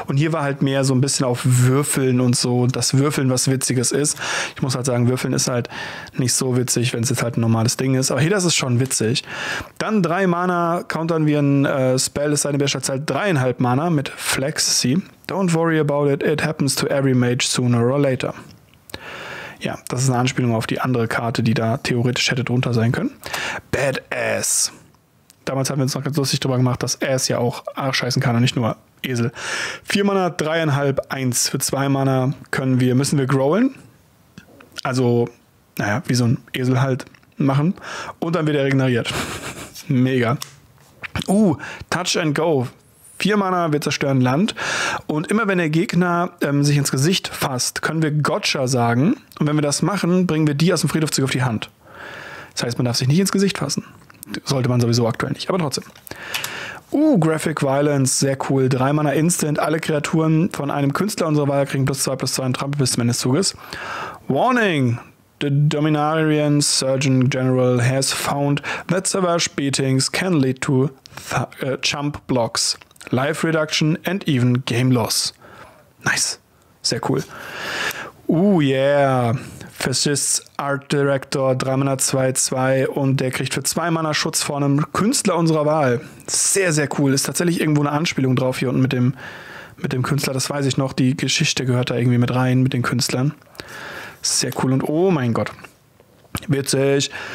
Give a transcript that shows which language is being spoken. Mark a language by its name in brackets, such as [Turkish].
[German] Und hier war halt mehr so ein bisschen auf Würfeln und so. Das Würfeln, was Witziges ist. Ich muss halt sagen, Würfeln ist halt nicht so witzig, wenn es jetzt halt ein normales Ding ist. Aber hier, das ist schon witzig. Dann 3 Mana, countern wir ein Spell, es sei denn, wir schätzen halt 3,5 Mana mit Flex Sea. [English] Don't worry about it, it happens to every mage sooner or later. [German] Ja, das ist eine Anspielung auf die andere Karte, die da theoretisch hätte drunter sein können. Badass. Damals haben wir uns noch ganz lustig drüber gemacht, dass Ass ja auch Arsch scheißen kann und nicht nur Esel. 4 Mana, 3,5, 1. Für 2 Mana müssen wir growlen. Also, naja, wie so ein Esel halt machen. Und dann wird er regeneriert. Mega. Touch and Go. 4 Mana, wir zerstören Land. Und immer wenn der Gegner sich ins Gesicht fasst, können wir Gotcha sagen. Und wenn wir das machen, bringen wir die aus dem Friedhof zurück auf die Hand. Das heißt, man darf sich nicht ins Gesicht fassen. Sollte man sowieso aktuell nicht, aber trotzdem. Graphic Violence, sehr cool. 3 Mana Instant, alle Kreaturen von einem Künstler unserer Wahl kriegen plus 2, plus 2 und Trampel bis zum Ende des Zuges. [English] Warning! The Dominarian Surgeon General has found that Savage Beatings can lead to Chump Blocks. Life Reduction and even Game Loss. [German] Nice. Sehr cool. Yeah. Fascist's Art Director, 3 Mana 2,2 und der kriegt für 2 Mana Schutz vor einem Künstler unserer Wahl. Sehr, sehr cool. Ist tatsächlich irgendwo eine Anspielung drauf hier unten mit dem Künstler. Das weiß ich noch. Die Geschichte gehört da irgendwie mit rein, mit den Künstlern. Sehr cool. Und oh mein Gott. Witzig.